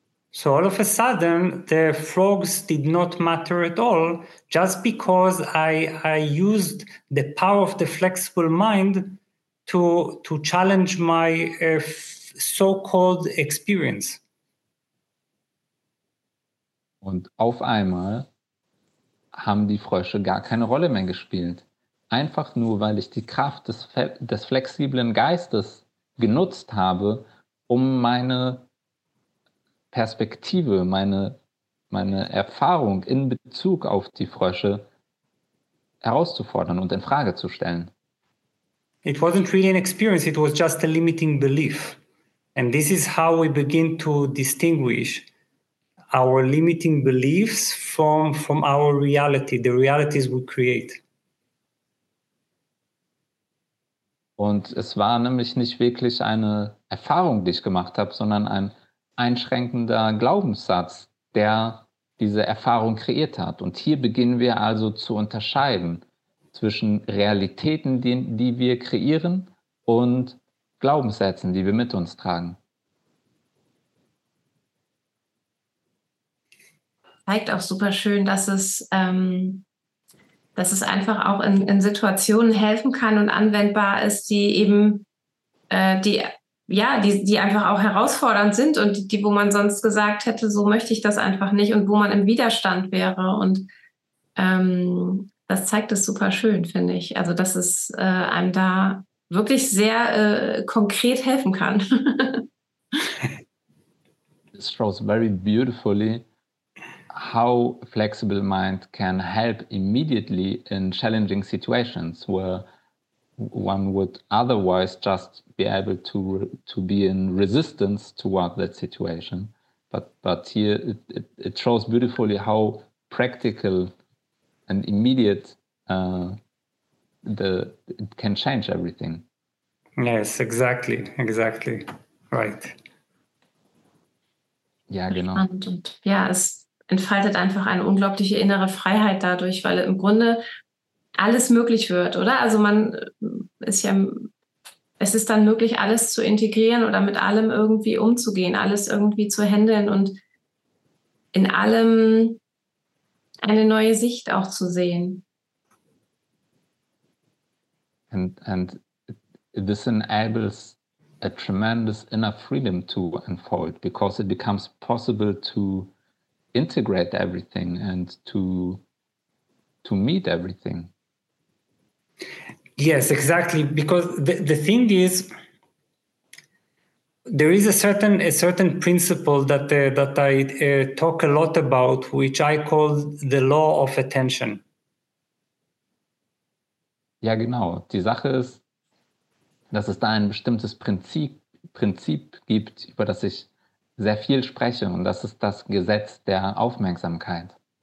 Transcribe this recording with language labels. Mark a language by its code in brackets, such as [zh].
[en] So all of a sudden, the frogs did not matter at all, just because I used the power of the flexible mind to challenge my so-called experience. [de] Und auf einmal haben die Frösche gar keine Rolle mehr gespielt. Einfach nur, weil ich die Kraft des flexiblen Geistes genutzt habe, um meine Perspektive, meine Erfahrung in Bezug auf die Frösche herauszufordern und in Frage zu stellen. [en] It wasn't really an experience, it was just a limiting belief. And this is how we begin to distinguish our limiting beliefs from our reality, the realities we create. [de] Und es war nämlich nicht wirklich eine Erfahrung, die ich gemacht habe, sondern ein einschränkender Glaubenssatz, der diese Erfahrung kreiert hat. Und hier beginnen wir also zu unterscheiden zwischen Realitäten, die wir kreieren, und Glaubenssätzen, die wir mit uns tragen. Zeigt auch super schön, dass es einfach auch in Situationen helfen kann und anwendbar ist, die eben die einfach auch herausfordernd sind und die, wo man sonst gesagt hätte, so möchte ich das einfach nicht, und wo man im Widerstand wäre. Und das zeigt es super schön, finde ich. Also dass es einem da wirklich sehr konkret helfen kann. [en] It shows very beautifully how flexible mind can help immediately in challenging situations where one would otherwise just be able to be in resistance toward that situation. But here it shows beautifully how practical and immediate it can change everything. Yes, exactly, exactly, right. [de] Ja, genau. Und ja, es entfaltet einfach eine unglaubliche innere Freiheit dadurch, weil im Grunde alles möglich wird, oder? Also man ist ja, es ist dann möglich, alles zu integrieren oder mit allem irgendwie umzugehen, alles irgendwie zu handeln und in allem eine neue Sicht auch zu sehen. [en] And this enables a tremendous inner freedom to unfold, because it becomes possible to integrate everything and to meet everything. Yes, exactly. Because the thing is, there is a certain principle that I talk a lot about, which I call the law of attention. [de] Ja, genau. Die Sache ist, dass es da ein bestimmtes Prinzip gibt, über das ich sehr viel spreche, und das ist das Gesetz der Aufmerksamkeit.